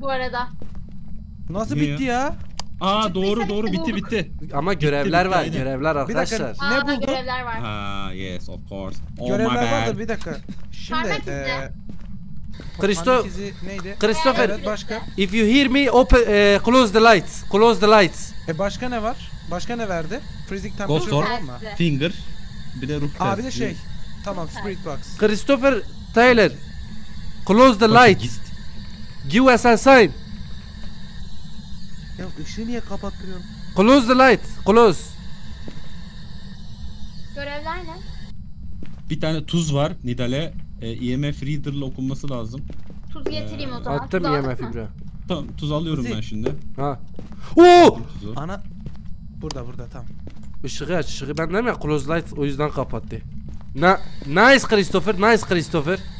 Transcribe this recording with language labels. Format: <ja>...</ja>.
<tr>Bu arada. Nasıl niye bitti ya? Aa, doğru bitti. Ama görevler bitti, var, aynen. Görevler arkadaşlar. Bir dakika, ne buldun? Görevler var.</tr> <en>Ha, yes, of course.</en> <tr>Oh, görevler var da bir dakika. Şimdi Christopher, evet, başka.</tr> <en>If you hear me, open, close the lights. Close the lights.</en> <tr>E başka ne var? Başka ne verdi?</tr> <en>Freezing temperature Ghost</en> <tr>var mı? Finger. Bir de ruh testi. Aa, bir de şey. Tamam, spirit box.</tr> <en>Christopher Tyler, close the lights. Give us a sign.</en> <tr>Ya ışığı niye kapattırıyorum?</tr> <en>Close the light. Close.</en> <tr>Görevler ne? Bir tane tuz var Nidale. EMF reader'la okunması lazım. Tuz getireyim o zaman. Attım EMF'i bre. Tamam, tuz alıyorum ben şimdi. Ha. Oo! Ana. Burada tamam. Işığı aç, ışığı. Ben dedim ya</tr> <en>close light,</en> <tr>o yüzden kapattı.</tr> <en>Nice Christopher, nice Christopher.</en>